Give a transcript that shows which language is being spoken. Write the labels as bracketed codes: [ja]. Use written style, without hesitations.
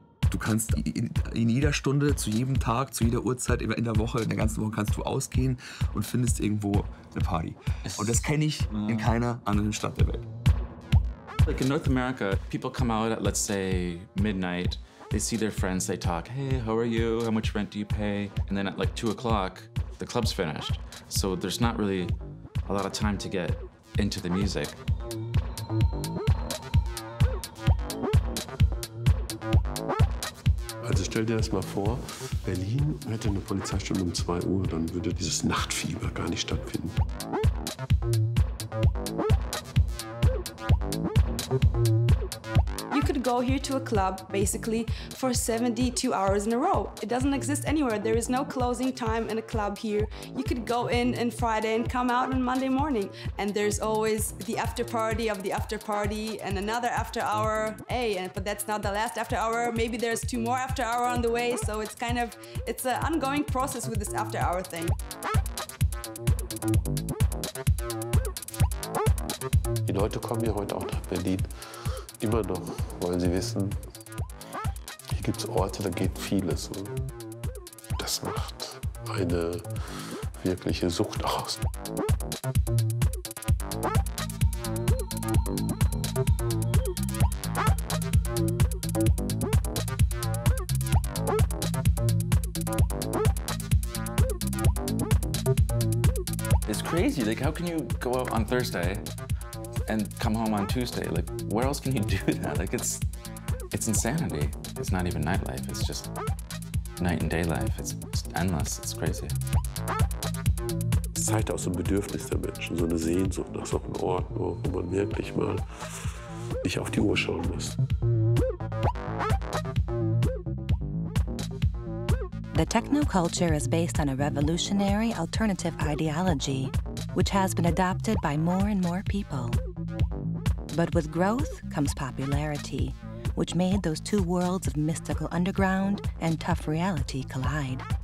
[de] Du kannst in jeder Stunde, zu jedem Tag, zu jeder Uhrzeit, in der Woche, in der ganzen Woche kannst du ausgehen und findest irgendwo eine Party. Und das kenne ich in keiner anderen Stadt der Welt. [en] Like in North America, people come out at, let's say, midnight. They see their friends, they talk, hey, how are you? How much rent do you pay? And then at like 2 o'clock, the club's finished. So there's not really a lot of time to get into the music. [de] Also stell dir das mal vor, Berlin hätte eine Polizeistunde um 2 Uhr, dann würde dieses Nachtfieber gar nicht stattfinden. [en] You could go here to a club basically for 72 hours in a row. It doesn't exist anywhere. There is no closing time in a club here. You could go in on Friday and come out on Monday morning. And there's always the after party of the after party and another after hour. Hey, but that's not the last after hour. Maybe there's 2 more after hour on the way. So it's kind of, it's an ongoing process with this after hour thing. [de] Die Leute kommen hier heute auch nach Berlin. Immer noch wollen sie wissen, hier gibt es Orte, da geht vieles. Das macht eine wirkliche Sucht aus. [en] It's crazy, like how can you go out on Thursday and come home on Tuesday? Like, where else can you do that? Like, it's insanity. It's not even nightlife, it's just night and day life. It's endless, it's crazy. [de] Es zeigt auch so ein Bedürfnis der Menschen, so eine Sehnsucht nach so einem Ort, wo man wirklich mal nicht auf die Uhr schauen muss. [en] The techno culture is based on a revolutionary alternative ideology, which has been adopted by more and more people. But with growth comes popularity, which made those two worlds of mystical underground and tough reality collide.